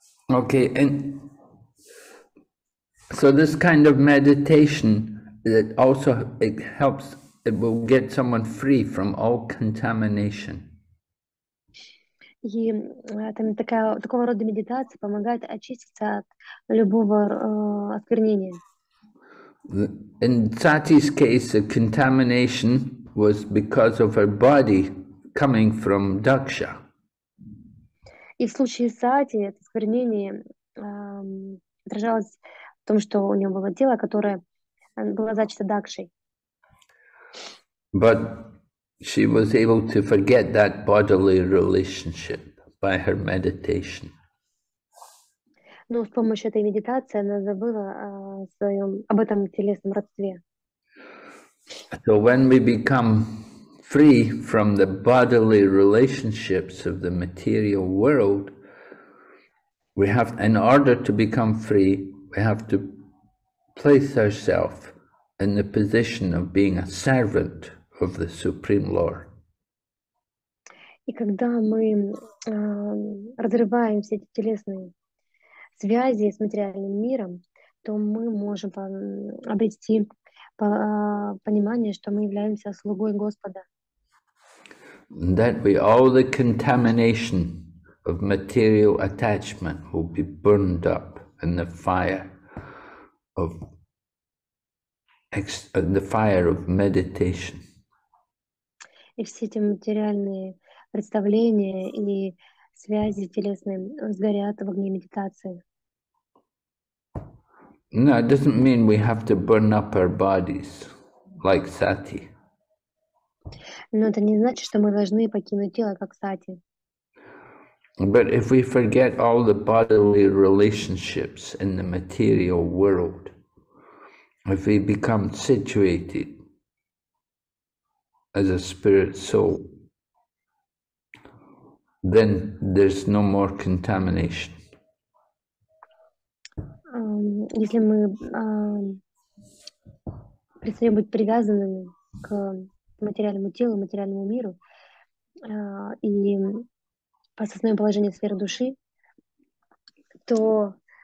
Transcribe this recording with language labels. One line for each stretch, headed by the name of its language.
English: Okay, and so this kind of meditation, it also it helps, it will get someone free from all contamination.
Russian: И там такая, такого рода медитация помогает очиститься от любого осквернения.
English: In Sati's case, the contamination was because of her body coming from Daksha.
Russian: И в случае Сати это осквернение отражалось в том, что у нее было тело, которое было зачато Дакшей.
English: But she was able to forget that bodily relationship by her meditation.
Russian: Но с помощью этой медитации она забыла об этом телесном родстве.
English: So when we become free from the bodily relationships of the material world, we have, in order to become free, we have to place ourselves in the position of being a servant of the Supreme Lord.
Russian: И когда мы разрываем все эти телесные связи с материальным миром, то мы можем обрести понимание, что мы являемся слугой Господа.
English: That way, all the contamination of material attachment will be burned up in the fire of meditation.
Russian: И все эти материальные представления и связи телесные сгорят в огне медитации.
English: No, it doesn't mean we have to burn up our bodies like Sati.
Russian: Но это не значит, что мы должны покинуть тело, как Сати.
English: But if we forget all the bodily relationships in the material world, if we become situated as a spirit soul, then there's no more contamination.
Russian: Если мы перестаем быть привязанными к материальному телу, материальному миру, и осознаем положение сферы души, то